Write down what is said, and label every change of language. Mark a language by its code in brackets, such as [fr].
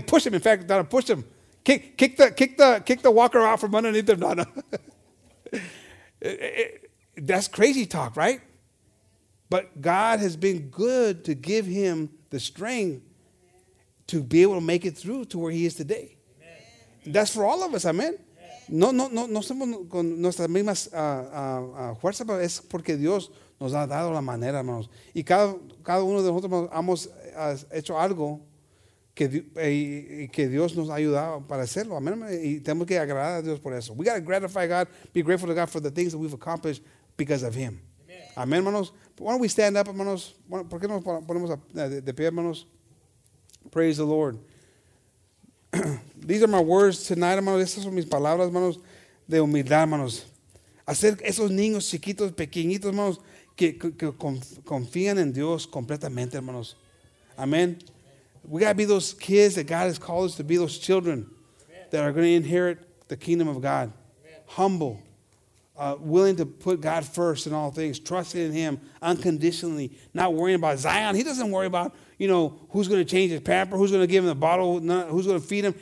[en] Push him. In fact, Donna, push him. Kick the walker out from underneath him, Donna. That's crazy talk, right? But God has been good to give him the strength to be able to make it through to where he is today. Amen. That's for all of us. Amen. [es] No somos con nuestras mismas fuerzas, pero es porque Dios nos ha dado la manera, hermanos. Y cada uno de nosotros hemos hecho algo que Dios nos ha ayudado para hacerlo. Amén. Y tenemos que agradar a Dios por eso. [en] We got to gratify God, be grateful to God for the things that we've accomplished because of Him. [es] Amén, hermanos. [en] Why don't we stand up, [es] hermanos? ¿Por qué nos ponemos de pie, hermanos? [en] Praise the Lord. These are my words tonight, hermanos. [es] Estas son mis palabras, hermanos, de humildad, hermanos. Hacer esos niños chiquitos, pequeñitos, hermanos, que confían en Dios completamente, hermanos. [en] Amen. We got to be those kids that God has called us to be, those children that are going to inherit the kingdom of God. Humble, willing to put God first in all things, trusting in Him unconditionally, not worrying about Zion. He doesn't worry about, you know, who's going to change his pamper, who's going to give him the bottle, who's going to feed him.